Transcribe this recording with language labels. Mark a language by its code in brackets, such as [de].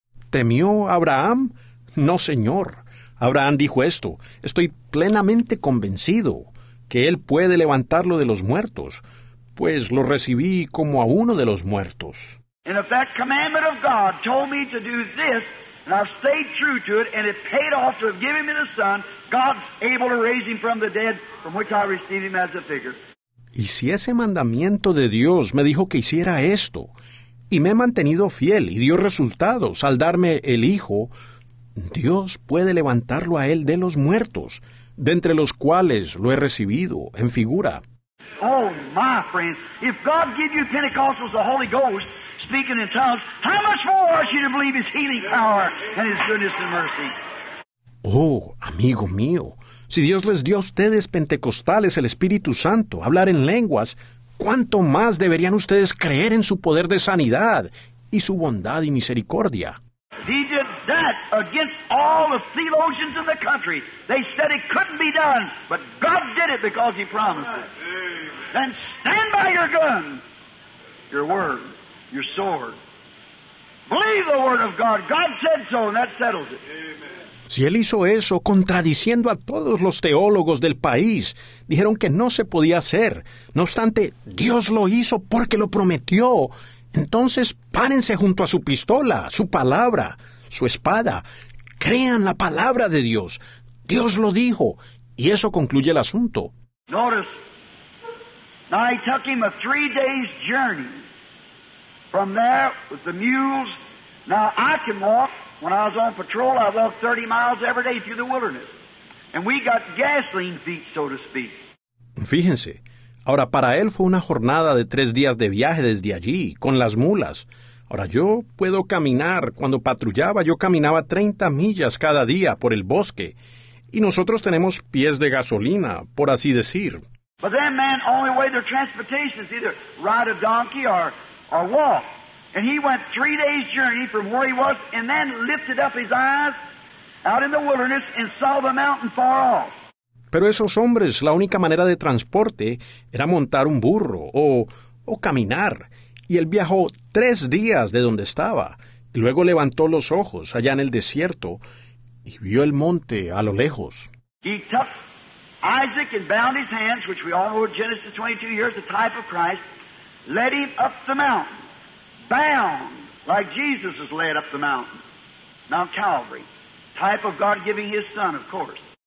[es] ¿Temió Abraham? No, señor. Abraham dijo esto, estoy plenamente convencido que él puede levantarlo de los muertos, pues lo recibí como a uno de los muertos. [en] And if that commandment of God told me to do this, and I've stayed true to it, and it paid off to have given me the son, God's able to raise him from the dead, from which I received him as a figure. [es] Y si ese mandamiento de Dios me dijo que hiciera esto, y me he mantenido fiel y dio resultados al darme el hijo, Dios puede levantarlo a él de los muertos, de entre los cuales lo he recibido en figura. [en] Oh, my friends, if God give you Pentecostals the Holy Ghost, speaking in tongues, how much more ought you to believe his healing power and his goodness and mercy? [es] Oh, amigo mío, si Dios les dio a ustedes pentecostales el Espíritu Santo, hablar en lenguas, ¿cuánto más deberían ustedes creer en su poder de sanidad y su bondad y misericordia? [en] He did that against all the theologians in the country. They said it couldn't be done, but God did it because he promised it. Then stand by your gun, your word, your sword. Believe the word of God. God said so, and that settles it. [es] Si él hizo eso, contradiciendo a todos los teólogos del país, dijeron que no se podía hacer. No obstante, Dios lo hizo porque lo prometió. Entonces, párense junto a su pistola, su palabra, su espada. Crean la palabra de Dios. Dios lo dijo, y eso concluye el asunto. [en] Notice, now he took him a 3 days journey. From there, with the mules, now I can walk. When I was on patrol, I walked 30 miles every day through the wilderness. And we got gasoline feet, so to speak. [es] Fíjense. Ahora, para él fue una jornada de 3 días de viaje desde allí, con las mulas. Ahora, yo puedo caminar. Cuando patrullaba, yo caminaba 30 millas cada día por el bosque. Y nosotros tenemos pies de gasolina, por así decir. [en] But then, man, only way their transportation is either ride a donkey or walk. And he went 3 days journey from where he was and then lifted up his eyes out in the wilderness and saw the mountain far off. [es] Pero esos hombres, la única manera de transporte era montar un burro o caminar. Y él viajó 3 días de donde estaba. Y luego levantó los ojos allá en el desierto y vio el monte a lo lejos. [en] He took Isaac and bound his hands, which we all know in Genesis 22, here's the type of Christ, led him up the mountain. bound, like Jesus is led up the mountain, Mount Calvary, type of God giving his son, of course.